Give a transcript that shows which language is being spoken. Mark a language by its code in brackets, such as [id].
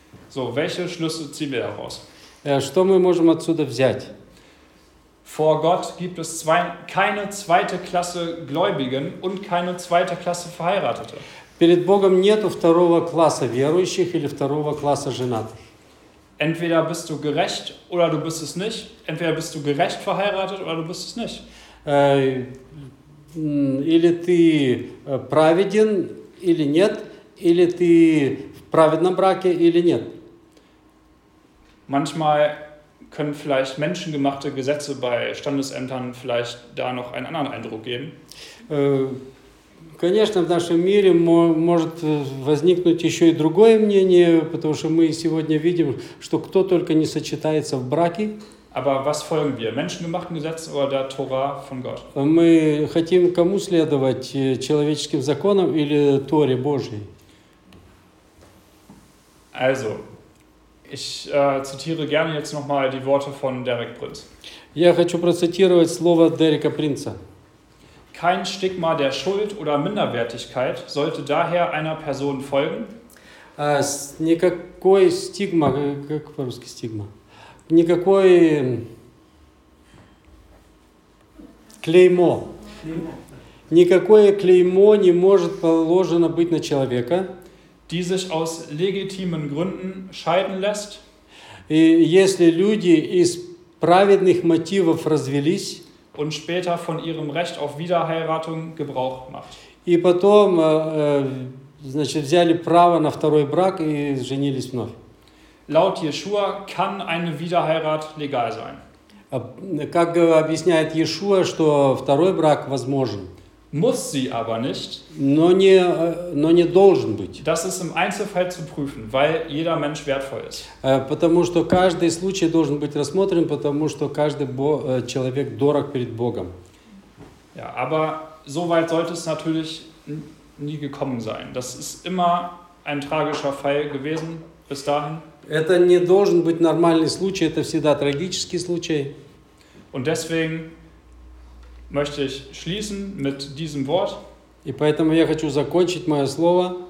[de] So, welche Schlüsse ziehen wir daraus? [ru] Что мы можем отсюда взять? [de] Vor Gott gibt es keine zweite Klasse Gläubigen und keine zweite Klasse Verheiratete. [ru] Перед Богом нету второго класса верующих или второго класса женатых. [de] Entweder bist du gerecht oder du bist es nicht. Entweder bist du gerecht verheiratet oder du bist es nicht. [ru] Или ты праведен, или нет, или ты в праведном браке, или нет. [de] Manchmal können vielleicht menschengemachte Gesetze bei Standesämtern vielleicht da noch einen anderen Eindruck geben. [ru] Конечно, в нашем мире может возникнуть еще и другое мнение, потому что мы сегодня видим, что кто только не сочетается в браке. [de] Aber was folgen wir? Menschengemachten Gesetzen oder der Tora von Gott? [ru] Мы хотим кому следовать? Человеческим законам или Торе Божьей? [de] Also, ich zitiere gerne jetzt nochmal die Worte von Derek Prinz. [ru] Я хочу процитировать слово Дерека Принца. [de] Kein Stigma der Schuld oder Minderwertigkeit sollte daher einer Person folgen. [ru] Никакой стигма, как по-русски стигма? Никакой клеймо. Никакое клеймо не может положено быть на человека. [de] Die sich aus legitimen Gründen scheiden lässt. [ru] И если люди из праведных мотивов развелись, [de] und später von ihrem Recht auf Wiederheiratung Gebrauch macht. [ru] И потом, значит, взяли право на второй брак и женились вновь. [de] Laut Jeschua kann eine Wiederheirat legal sein. [ru] Как объясняет Иешуа, что второй брак возможен. [de] Muss sie aber nicht. [ru] Но не должен быть. [de] Das ist im Einzelfall zu prüfen, weil jeder Mensch wertvoll ist. [ru] Потому что каждый случай должен быть рассмотрен, потому что каждый человек дорог перед Богом. [de] Ja, aber so weit sollte es natürlich nie gekommen sein. Das ist immer ein tragischer Fall gewesen bis dahin. [ru] Это не должен быть нормальный случай, это всегда трагический случай. [de] Und deswegen möchte ich schließen mit diesem Wort. [ru] И поэтому я хочу закончить мое слово.